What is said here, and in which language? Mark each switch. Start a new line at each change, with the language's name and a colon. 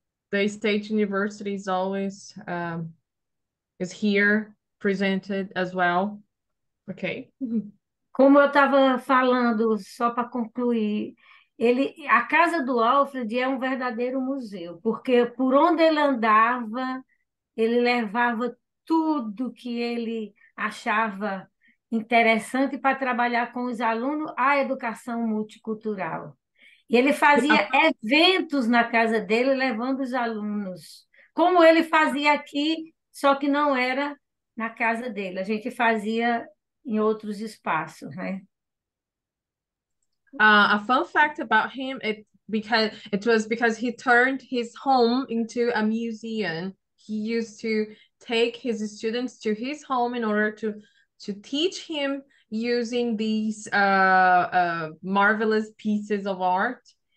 English: The state university is always is here presented as well. Okay.
Portuguese: Como eu estava falando, só para concluir, a casa do Alfred é um verdadeiro museu, porque por onde ele andava, ele levava tudo que ele achava interessante para trabalhar com os alunos, a educação multicultural. E ele fazia eventos na casa dele, levando os alunos, como ele fazia aqui, só que não era na casa dele. A gente fazia em outros espaços, né?
English: A fun fact about him, it was because he turned his home into a museum. He used to take his students to his home in order to teach him using these marvelous pieces of art.